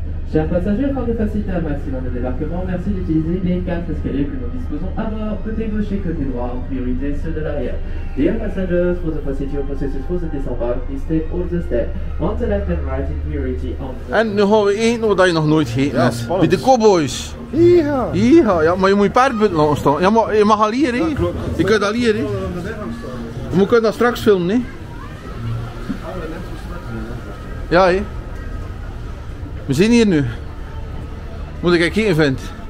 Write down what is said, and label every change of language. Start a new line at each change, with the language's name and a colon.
French: Chers passagers, afin de faciliter un maximum de débarquement, merci d'utiliser les 4 escaliers que nous disposons à bord, côté gauche et côté droit, en priorité ceux de l'arrière.
English: Dear passengers, for the facility of processes for the disembark, please take all the steps on the left and right in priority on the...
Dutch: En nu gaan we eten wat je nog nooit gegeten hebt, bij de Cowboys. Ja, ja, maar je moet je paardpunt laten staan. Ja, maar je mag al hier, hè. Je kunt al hier, hè. Je moet dat straks filmen, hè. Ja, hè. We zijn hier nu. Moet ik kijken, vent.